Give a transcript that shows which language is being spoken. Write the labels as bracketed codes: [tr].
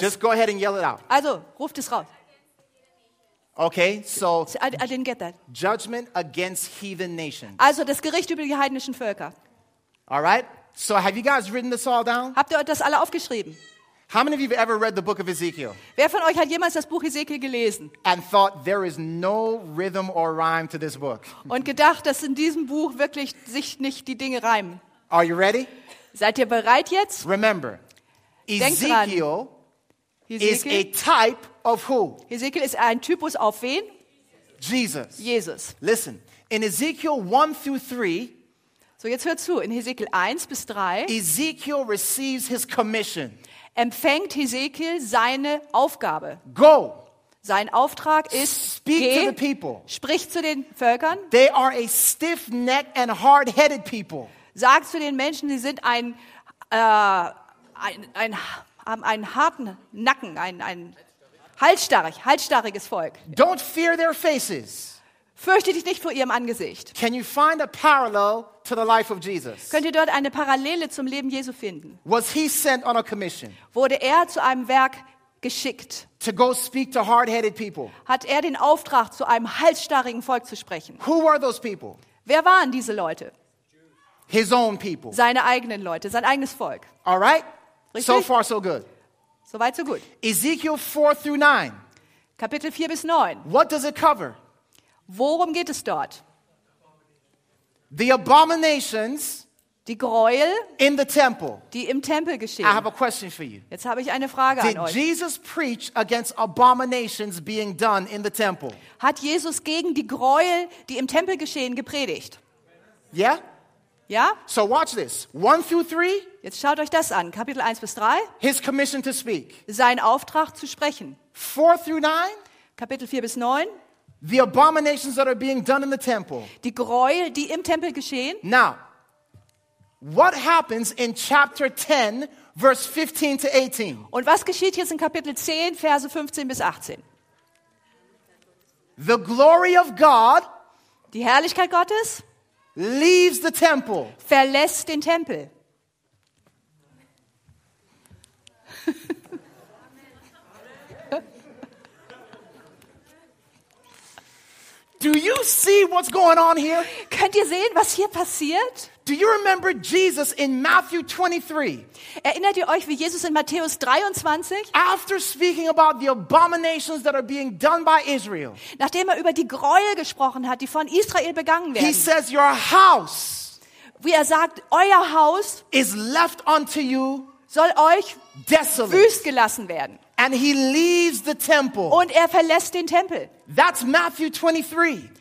[en] Just go ahead and yell it out. [de] Also, ruft es raus. [en] Okay, so. I didn't get that. Judgment against heathen nations. [de] Also, das Gericht über die heidnischen Völker. [en] All right. So, have you guys written this all down? [de] Habt ihr das alle aufgeschrieben? [en] How many of you have ever read the book of Ezekiel? [de] Wer von euch hat jemals das Buch Ezekiel gelesen? [en] And thought there is no rhythm or rhyme to this book. [de] Und gedacht, dass in diesem Buch wirklich sich nicht die Dinge reimen. [en] Are you ready? [de] Seid ihr bereit jetzt? [en] Remember, Ezekiel is a type of who? [de] Ezekiel ist ein Typus auf wen? [en] Jesus. [de] Jesus. [en] Listen, in Ezekiel 1 through 3, [de] so jetzt hört zu, in Ezekiel 1 bis 3, [en] Ezekiel receives his commission. [de] Empfängt Hesekiel seine Aufgabe. [en] Go. [de] Sein Auftrag ist, [en] speak [de] geh, [en] to the people. [de] Sprich zu den Völkern. [en] They are a stiff-neck and hard-headed people. [de] Sag zu den Menschen, sie sind ein harten Nacken, ein halsstarriges Volk. [en] Don't fear their faces. [de] Fürchte dich nicht vor ihrem Angesicht. [en] Can you find a parallel to the life of Jesus? [de] Könnt ihr dort eine Parallele zum Leben Jesu finden? [en] Was he sent on a commission? [de] Wurde er zu einem Werk geschickt? [en] To go speak to hard-headed people. [de] Hat er den Auftrag, zu einem halsstarrigen Volk zu sprechen? [en] Who were those people? [de] Wer waren diese Leute? [en] His own people. [de] Seine eigenen Leute, sein eigenes Volk. [en] All right? [de] Richtig? [en] So far so good. [de] So weit so gut. [en] Ezekiel 4 through 9. [de] Kapitel 4 bis 9. [en] What does it cover? [de] Worum geht es dort? [en] The abominations, [de] die Gräuel, [en] in the temple, [de] die im Tempel geschehen. [en] I have a question for you. [de] Jetzt habe ich eine Frage [en] Did [de] an euch. [en] Did Jesus preach against abominations being done in the temple? [de] Hat Jesus gegen die Gräuel, die im Tempel geschehen, gepredigt? [en] Yeah? [de] Ja? [en] So watch this. 1 through 3. [de] Jetzt schaut euch das an. Kapitel 1 bis 3. [en] His commission to speak. [de] Sein Auftrag zu sprechen. [en] 4 through 9. [de] Kapitel 4 bis 9. [en] The abominations that are being done in the temple. [de] Die Gräuel, die im Tempel geschehen. [en] Now, what happens in chapter 10, verse 15 to 18? [de] Und was geschieht jetzt in Kapitel 10, Verse 15 bis 18? [en] The glory of God, [de] die Herrlichkeit Gottes, [en] leaves the temple. [de] Verlässt den Tempel. [en] Do you see what's going on here? [de] Könnt ihr sehen, was hier passiert? [en] Do you remember Jesus in Matthew 23? [de] Erinnert ihr euch, wie Jesus in Matthäus 23? [en] After speaking about the abominations that are being done by Israel. [de] Nachdem er über die Gräuel gesprochen hat, die von Israel begangen werden. [en] He says your house. [de] Wie er sagt, euer Haus [en] is left unto you. [de] Soll euch [en] desolate. [de] Wüst gelassen werden. [en] And he leaves the temple. [de] Und er verlässt den Tempel. [en] That's Matthew 23.